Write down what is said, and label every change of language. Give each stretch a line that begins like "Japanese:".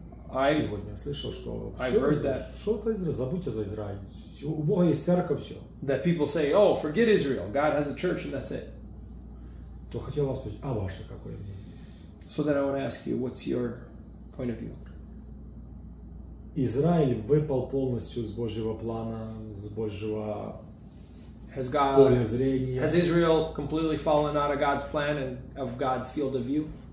Russian: Сегодня слышал, что что-то Израиль, забудьте за Израиль. У Бога есть церковь, все.
English: That people say, oh, forget Israel. God has a church and that's it.
Russian: То хотел вас спросить, а ваше какое мнение?
English: So then I want to ask you, what's your point of view?
Russian: Израиль выпал полностью с Божьего плана, с Божьего
English: has God,
Russian: поля зрения.
English: Has Israel completely fallen out of God's plan and of God's field of view?